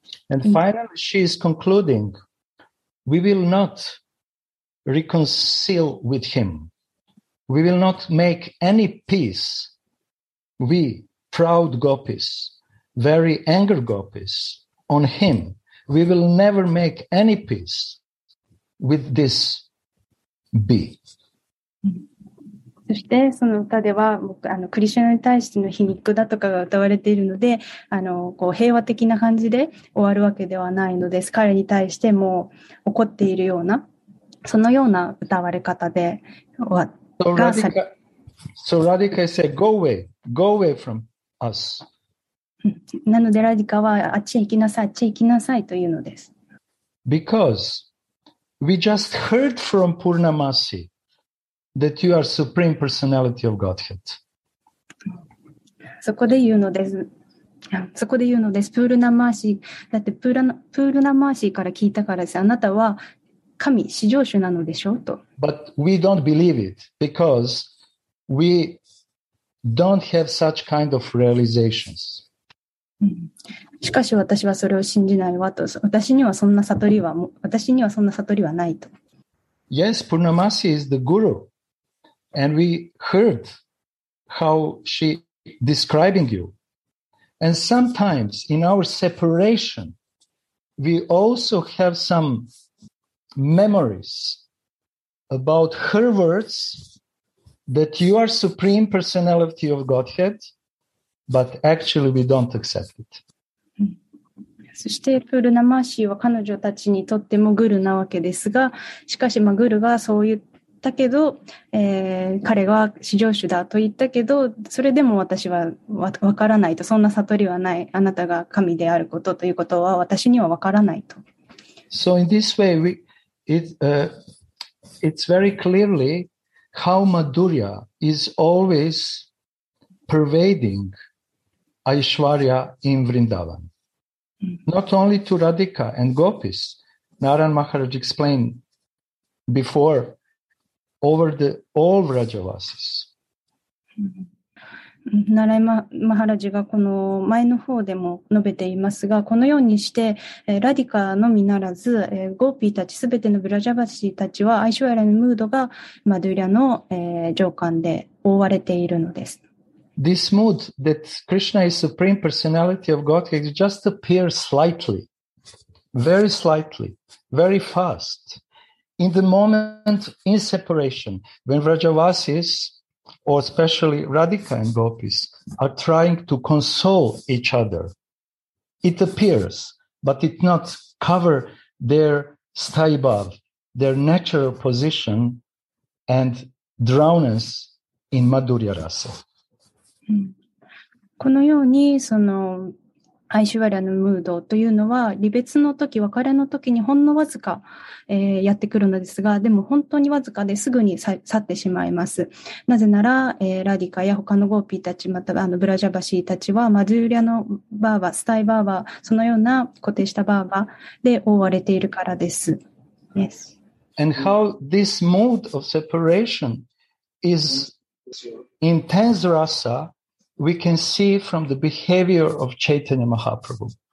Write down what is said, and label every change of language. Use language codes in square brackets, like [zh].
[en] And finally she is concluding We will not reconcile with him We will not make any peace We proud gopis Very angry gopis On him We will never make any peace With this be [ja] そしてその歌ではクリシュナに対しての皮肉だとかが歌われているのでこう平和的な感じで終わるわけではないのです彼に対しても怒っているようなそのような歌われ方で終わった [en] So Radhika, so Radhika said go away go away from us [ja] なのでラディカはあっちへ行きなさいあっちへ行きなさいというのです [en] Because we just heard from Purnamasi That you are supreme personality of Godhead. [ja] そこで言うのです。そこで言うのです。プールナマーシー。だってプールナマーシーから聞いたからです。あなたは神、至上主なのでしょうと。 [en] But we don't believe it because we don't have such kind of realizations. [ja] しかし私はそれを信じないわと。私にはそんな悟りはないと。 [en] Yes, Purnamasi is the guru. And we heard how she describing you. And sometimes in our separation, we also have some memories about her words that you are supreme personality of Godhead, but actually we don't accept it. [ja] そしてプールナマーシーは彼女たちにとってもグルなわけですが、しかしまあグルがそういうだけど、彼は至上主だと言ったけど、それでも私は分からないと、そんな悟りはない、あなたが神であることということは私には分からないと。 [en] So in this way, it's very clearly how Madhurya is always pervading Aishwarya in Vrindavan. Not only to Radhika and Gopis, Narayan Maharaj explained before,Over the all Vrajavasis. [ja] Narayan Maharaj がこの前の方でも述べていますが、このようにしてラディカのみならず、ゴーピーたちすべてのブラジャバシーたちはアイシュワラのムードがマドゥリアの上官で覆われているのです。 [en] This mood that Krishna is supreme personality of Godhead just appears slightly, very fast. In the moment in separation, when Vrajavasis, or especially Radhika and Gopis, are trying to console each other, it appears, but it not cover their sthaibhav, their natural position, and drownness in Madhurya Rasa. [ja] このようにそのアイシュワリアのムードというのは離別の時別れの時にほんのわずか、やってくるのですがでも本当にわずかですぐに去ってしまいますなぜなら、ラディカや他のゴーピーたちまたブラジャバシーたちはマドゥーリアのバーバスタイバーバそのような固定したバーバで覆われているからです、yes. [en] And how this mode of separation is intense rasaWe can see from the behavior of Chaitanya Mahaprabhu.